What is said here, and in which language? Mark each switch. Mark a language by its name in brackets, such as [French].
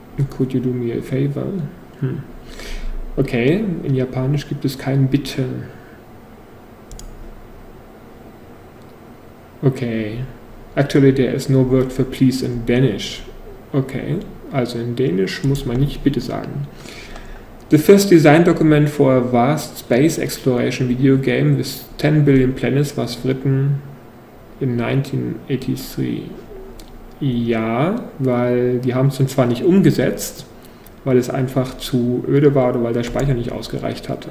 [English] Could you do me a favor? Okay, [German] in Japanisch gibt es kein Bitte. [English] Okay. Actually, there is no word for please in Danish. [German] Okay, also in Dänisch muss man nicht Bitte sagen. [English] The first design document for a vast space exploration video game with 10 billion planets was written in 1983. [German] Ja, weil die haben es zwar nicht umgesetzt, weil es einfach zu öde war oder weil der Speicher nicht ausgereicht hat.